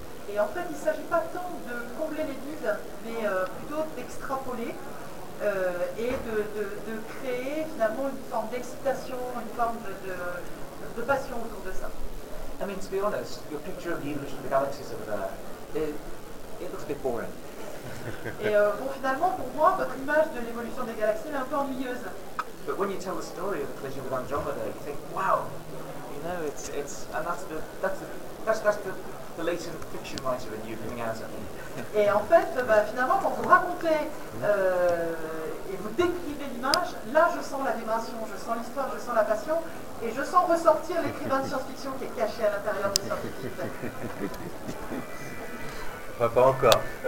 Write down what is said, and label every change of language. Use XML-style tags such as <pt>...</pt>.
<fr>Et en fait, il ne s'agit pas tant de combler les vides, mais plutôt d'extrapoler et de créer finalement une forme d'excitation, une forme de passion autour de ça.</fr> <en>I mean, to be honest, your picture of the evolution of the galaxies over there, it looks a bit boring.</en> <fr>Et bon, finalement, pour moi, votre image de l'évolution des galaxies est un peu ennuyeuse.</fr> <en>But when you tell the story of the collision with Andromeda, you think, wow, you know, it's and that's the latent fiction writer in you coming out at me.</en> <fr>Et en fait, bah, finalement, quand vous racontez et vous décrivez l'image, là, je sens la vibration, je sens l'histoire, je sens la passion. Et je sens ressortir l'écrivain de science-fiction qui est caché à l'intérieur du scientifique. Enfin, pas encore.</fr>